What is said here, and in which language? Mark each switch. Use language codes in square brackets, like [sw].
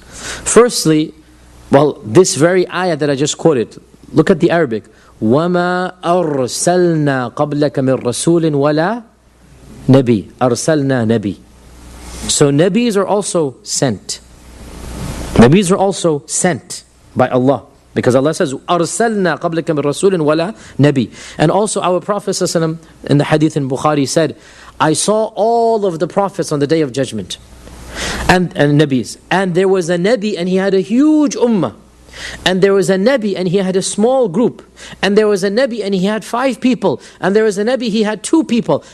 [en] Firstly, well, this very ayah that I just quoted, look at the Arabic. [ar] وَمَا أَرْسَلْنَا قَبْلَكَ مِنْ رَسُولٍ وَلَا نَبِي. أَرْسَلْنَا نَبِي. [en] So Nabis are also sent. Nabis are also sent by Allah. Because Allah says, [ar] أَرْسَلْنَا قَبْلِكَ مِنْ رَسُولٍ وَلَا نَبِي. [en] And also our Prophet ﷺ in the hadith in Bukhari said, I saw all of the prophets on the Day of Judgment. And Nabis. And there was a Nabi and he had a huge ummah. And there was a Nabi and he had a small group. And there was a Nabi and he had five people. And there was a Nabi, he had two people.